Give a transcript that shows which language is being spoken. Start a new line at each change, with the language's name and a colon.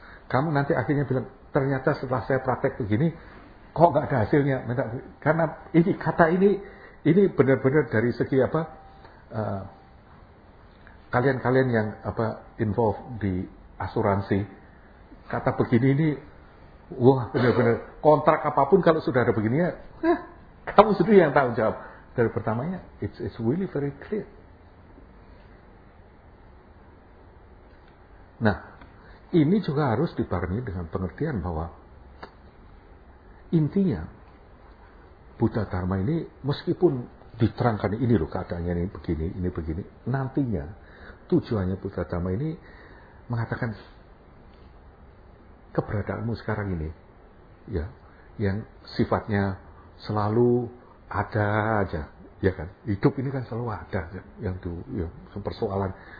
Indonesian: Kamu nanti akhirnya bilang ternyata setelah saya praktek begini kok nggak ada hasilnya, karena ini kata ini benar-benar dari segi apa kalian-kalian yang apa involved di asuransi, kata begini ini, wah benar-benar kontrak apapun kalau sudah ada begini ya, kamu sendiri yang tanggung jawab. Dari pertamanya,
English: it's really very clear.
Indonesian: Nah, ini juga harus dibarengi dengan pengertian bahwa intinya Buddha Dharma ini meskipun diterangkan ini loh keadaannya ini begini, nantinya tujuannya Buddha Dharma ini mengatakan keberadaanmu sekarang ini, ya, yang sifatnya selalu ada aja, ya kan? Hidup ini kan selalu ada, ya, yang tuh, ya, persoalan